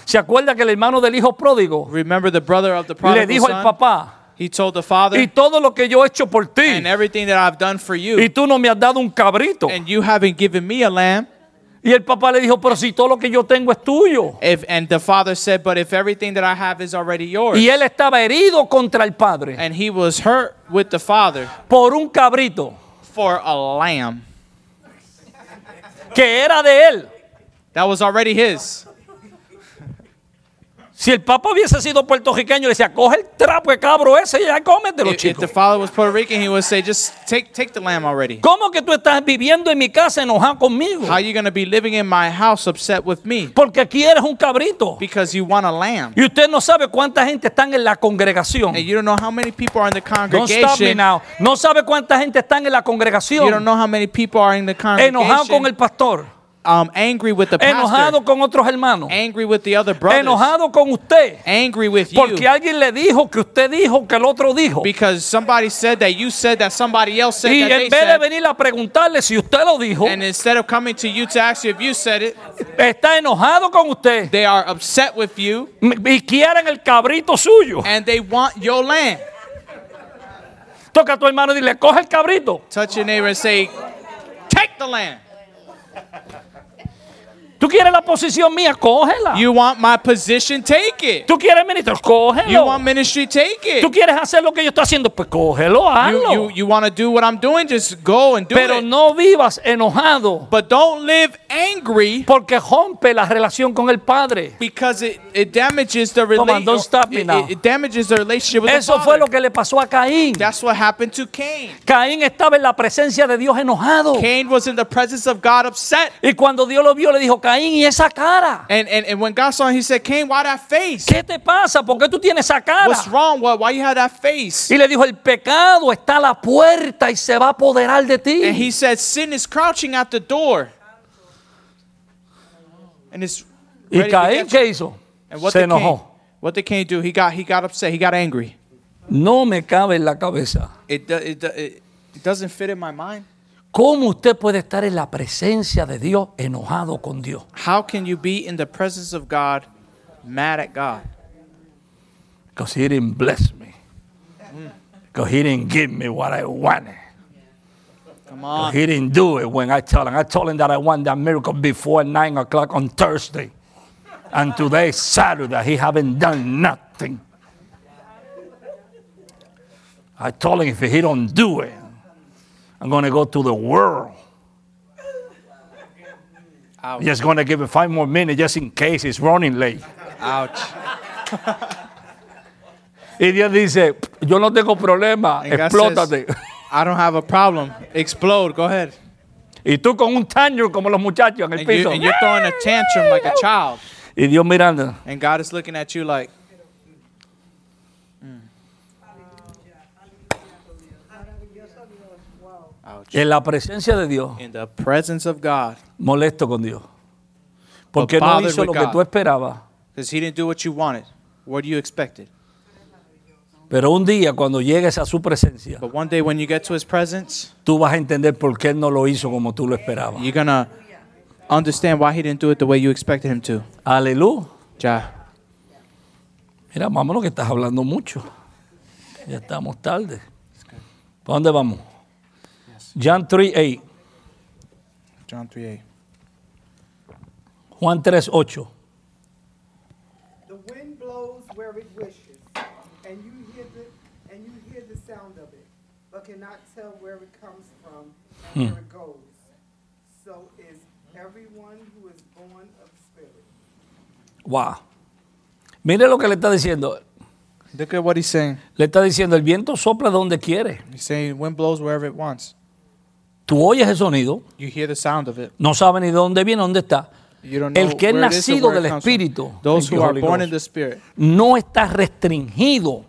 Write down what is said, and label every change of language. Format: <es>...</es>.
<es>¿Se acuerda que el hermano del hijo pródigo?</es> <en>Remember the brother of the prodigal son.</en> <es>Le dijo al papá.</es> <en>He told the father,</en> <es>y todo lo que yo he hecho por ti.</es> <en>And everything that I've done for you.</en> <es>Y tú no me has dado un cabrito.</es> <en>And you haven't given me a lamb.</en> <es>Y el papá le dijo, pero si todo lo que yo tengo es tuyo.</es> <en>And the father said, but if everything that I have is already yours.</en> <es>Y él estaba herido contra el padre.</es> <en>And he was hurt with the father.</en> <es>Por un cabrito.</es> <en>For a lamb.</en> <es>Que era de él.</es> <en>That was already his.</en> <es>Si el papá hubiese sido puertorriqueño, le decía, coge el trapo de cabro ese y ya cómetelo, chico.</es> <en>If the father was Puerto Rican, he would say, just take the lamb already.</en> <es>¿Cómo que tú estás viviendo en mi casa enojado conmigo?</es> <en>How are you going to be living in my house upset with me?</en> <es>Porque quieres un cabrito.</es> <en>Because you want a lamb.</en> <es>Y usted no sabe cuánta gente está en la congregación.</es> <en>And you don't know how many people are in the congregation. Don't stop me now.</en> <es>No sabe cuánta gente está en la congregación.</es> <en>You don't know how many people are in the congregation.</en> <es>Enojado con el pastor.</es> <en>Angry with the pastor.</en> <es>Enojado con otros hermanos.</es> <en>Angry with the other brothers.</en> <es>Enojado con usted.</es> <en>Angry with you.</en> <es>Porque alguien le dijo que usted dijo que el otro dijo.</es> <en>Because somebody said that you said that somebody else said that they said.</en> <es>Y en vez de venir a preguntarle si usted lo dijo.</es> <en>And instead of coming to you to ask you if you said it.</en> <es>Está enojado con usted.</es> <en>They are upset with you.</en> <es>Y quieren el cabrito suyo.</es> <en>And they want your land.</en> <es>Toca a tu hermano y dile, coge el cabrito.</es> <en>Touch your neighbor and say, take the land.</en> <es>¿Tú quieres la posición mía, cógela.</es> <en>You want my position, take it.</en> <es>Tú quieres ministro, cógelo.</es> <en>You want ministry, take it.</en> <es>Tú quieres hacer lo que yo estoy haciendo, pues cógelo, hazlo.</es> <en>You want to do what I'm doing, just go and do</en> <es>Pero</es> <en>it.</en> <es>Pero no vivas enojado.</es> <en>But don't live angry.</en> <es>Porque rompe la relación con el padre.</es> <en>Because it damages the relationship. Don't stop me now. It damages the relationship with</en> <es>Eso</es> <en>the father.</en> <es>Eso fue lo que le pasó a Caín.</es> <en>That's what happened to Cain.</en> <es>Caín estaba en la presencia de Dios enojado.</es> <en>Cain was in the presence of God upset.</en> <es>Y cuando Dios lo vio, le dijo, Caín, ¿y esa cara?</es> <en>And when God saw him, he said, Cain, why that face?</en> <es>¿Qué te pasa? ¿Por qué tú tienes esa cara?</es> <en>What's wrong? Why you have that face?</en> <es>Y le dijo, el pecado está a la puerta y se va a apoderar de ti.</es> <en>And he said, sin is crouching at the door. And it's</en> <es>¿Y Caín qué hizo? Se enojó.</es> <en>What did Cain do? He got upset. He got angry.</en> <es>No me cabe en la cabeza.</es> <en>It doesn't fit in my mind.</en> <es>¿Cómo usted puede estar en la presencia de Dios enojado con Dios?</es> <en>How can you be in the presence of God mad at God? Because he didn't bless me. Because he didn't give me what I wanted. Come on. He didn't do it when I told him. I told him that I want that miracle before 9 o'clock on Thursday. And today is Saturday. He haven't done nothing. I told him if he don't do it, I'm going to go to the world. Ouch. Just going to give it 5 more minutes just in case it's running late. Ouch.</en> <es>Y Dios dice, yo no tengo problema, explótate.</es> <en>I don't have a problem. Explode, go ahead.</en> <es>Y tú con un tantrum como los muchachos en el piso.</es> <en>And you're throwing a tantrum like a child.</en> <es>Y Dios mirando.</es> <en>And God is looking at you like,</en> <es>Ouch. En la presencia de Dios.</es> <en>In the presence of God.</en> <es>Molesto con Dios. Porque no hizo lo que tú esperabas.</es> <en>Because he didn't do what you wanted. What do you expected?</en> <es>Pero un día cuando llegues a su presencia.</es> <en>But one day when you get to his presence.</en> <es>Tú vas a entender por qué no lo hizo como tú lo esperabas.</es> <en>You're going to understand why he didn't do it the way you expected him to.</en> <es>Aleluya. Ya. Mira, vámonos que estás hablando mucho. Ya estamos tarde. ¿Para dónde vamos?</es> <en>John 3:8. The wind blows where it wishes, and you hear the sound of it, but cannot tell where it comes from and where it goes. So is everyone who is born of spirit.</en> <es>Wow. Mire lo que le está diciendo.</es> <en>Look at what he's saying.</en> <es>Le está diciendo, el viento sopla donde quiere.</es> <en>He's saying, wind blows wherever it wants.</en> <es>Tú oyes el sonido.</es> <en>You hear the sound of it.</en> <es>No sabes ni de dónde viene, dónde está.</es> <en>You don't know</en> <es>el que es nacido del Espíritu.</es> <en>Those who are born in the Spirit.</en> <es>No está restringido.</es>